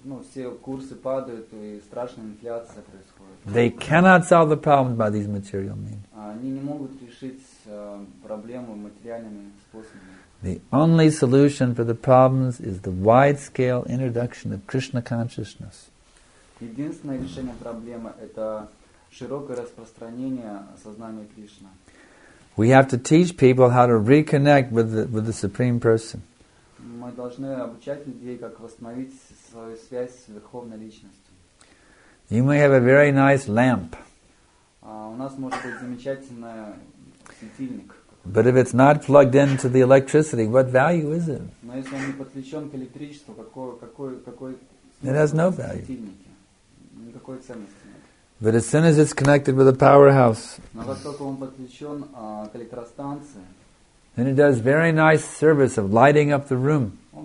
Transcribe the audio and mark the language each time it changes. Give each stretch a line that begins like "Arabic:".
Russian: Все курсы падают и страшная инфляция происходит.
English: They cannot solve the problem by these material means.
Russian: Они не могут решить проблему материальными способами.
English: The only solution for the problems is the wide-scale introduction of Krishna consciousness.
Russian: Единственное решение проблемы – это широкое распространение сознания Кришны.
English: We have to teach people how to reconnect with the Supreme Person.
Russian: Мы должны обучать людей, как восстановить свою связь с Верховной Личностью.
English: You may have a very nice lamp.
Russian: У нас может быть замечательный светильник.
English: But if it's not plugged into the electricity, what value is it?
Russian: Но если он не подключен к электричеству, какой
English: It has no value.
Russian: Никакой ценности.
English: But as soon as it's connected with a powerhouse, then it does very nice service of lighting up the room.